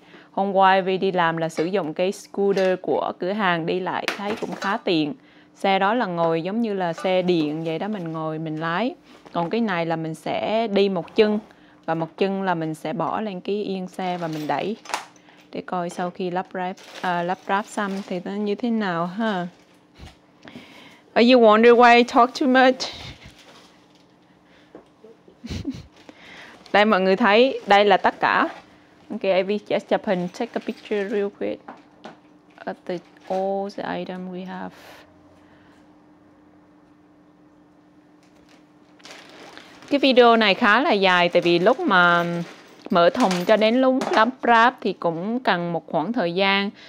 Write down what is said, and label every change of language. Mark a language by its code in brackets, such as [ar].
[vi] Hôm qua AV đi làm là sử dụng cái scooter của cửa hàng đi lại, thấy cũng khá tiện. Xe đó là ngồi giống như là xe điện vậy đó, mình ngồi mình lái. Còn cái này là mình sẽ đi một chân, và một chân là mình sẽ bỏ lên cái yên xe và mình đẩy. Để coi sau khi lắp ráp xong thì nó như thế nào ha. [en] Are you wondering why I talk too much? [vi] Đây mọi người thấy, đây là tất cả. [en] Ok, I just [vi] chụp hình, [en] take a picture real quick at the all the item we have. [vi] Cái video này khá là dài, tại vì lúc mà mở thùng cho đến lúc lắp ráp thì cũng cần một khoảng thời gian.